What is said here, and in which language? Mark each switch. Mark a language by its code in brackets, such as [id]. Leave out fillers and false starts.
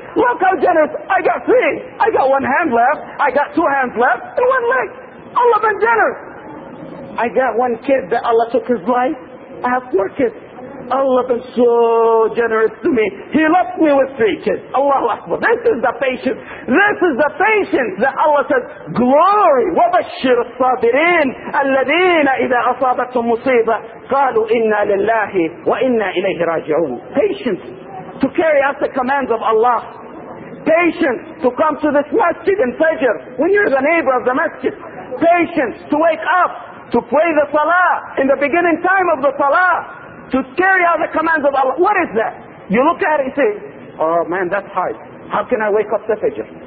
[en] Look how generous. I got three. I got one hand left. I got two hands left. And one leg. Allah been generous. I got one kid that Allah took his life. I have four kids. Allah been so generous to me. He left me with three kids. Allahu Akbar. This is the patience. This is the patience that Allah says, glory. [ar] وَبَشِّرْ الصَّابِرِينَ الَّذِينَ إِذَا أَصَابَتْهُمْ مُصِيبَةٌ قَالُوا إِنَّا لِلَّهِ وَإِنَّا إِلَيْهِ رَاجِعُونَ. [en] Patience to carry out the commands of Allah. patient to come to this masjid in Fajr, when you're the neighbor of the masjid. Patience to wake up, to pray the salah in the beginning time of the salah, to carry out the commands of Allah. What is that? You look at it and say, oh man, that's hard. How can I wake up to Fajr?